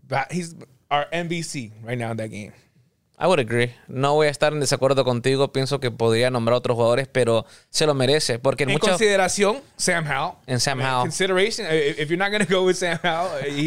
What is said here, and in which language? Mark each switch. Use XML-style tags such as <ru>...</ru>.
<en>He's our MVC right now in that game. I would agree.</en> <es>No voy a estar en desacuerdo contigo. Pienso que podría nombrar otros jugadores, pero se lo merece. Porque en consideración, Sam Howell. En Sam Howell.</es> <en>Consideration, if you're not going to go with Sam Howell.</en>